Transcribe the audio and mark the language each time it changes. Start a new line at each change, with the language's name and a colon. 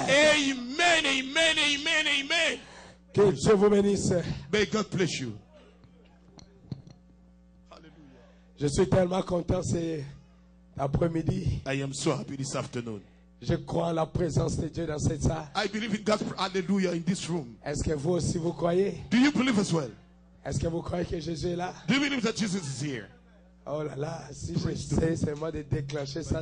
French: Amen, amen, amen, amen. Que Dieu vous bénisse.
English: May God bless you.
French: Hallelujah. Je suis tellement content, c'est... Après-midi,
English: I am so happy this afternoon.
French: Je crois en la présence de Dieu dans cette salle.
English: I believe in God, hallelujah, in this room.
French: Est-ce que vous aussi vous croyez?
English: Do you believe as well?
French: Est-ce que vous croyez que Jésus est là?
English: Do you believe that Jesus is here?
French: Oh là là, si praise je sais, c'est moi de déclencher ça.